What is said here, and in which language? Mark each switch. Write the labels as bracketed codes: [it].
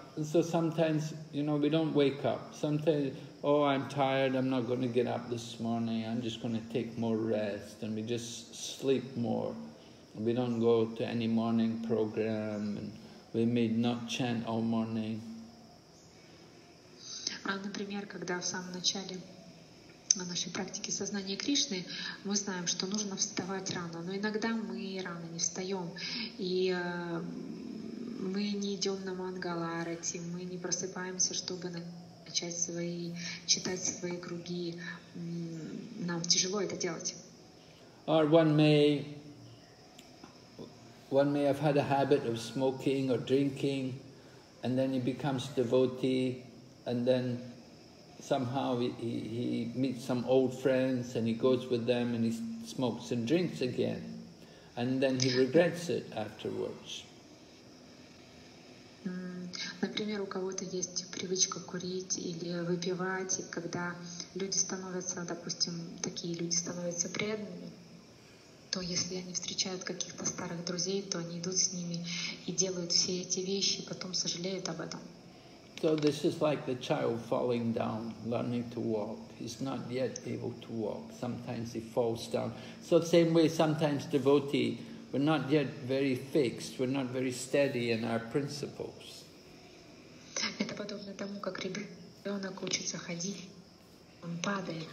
[en] And so sometimes, you know, we don't wake up. Sometimes, oh, I'm tired, I'm not going to get up this morning, I'm just going to take more rest, and we just sleep more. And we don't go to any morning program, and we may not chant all morning. [ru] Например, когда в самом начале нашей практики сознания Кришны, мы знаем, что нужно вставать рано, но иногда мы рано не встаем, и мы не идем на мангаларати, мы не просыпаемся, чтобы начать свои читать свои круги. Нам тяжело это делать. [en] Or one may have had a habit of smoking or drinking, and then he becomes devotee, and then somehow he meets some old friends and he goes with them and he smokes and drinks again, and then he regrets it afterwards. [ru] Например, у кого-то есть привычка курить или выпивать, и когда люди становятся, допустим, такие люди становятся преданными, то если они встречают каких-то старых друзей, то они идут с ними и делают все эти вещи, и потом сожалеют об этом. [en] So this is like the child falling down, learning to walk. He's not yet able to walk. Sometimes he falls down. So same way, sometimes devotee, we're not yet very fixed, we're not very steady in our principles. [ru] Это подобно тому, как ребенок учится ходить, он падает.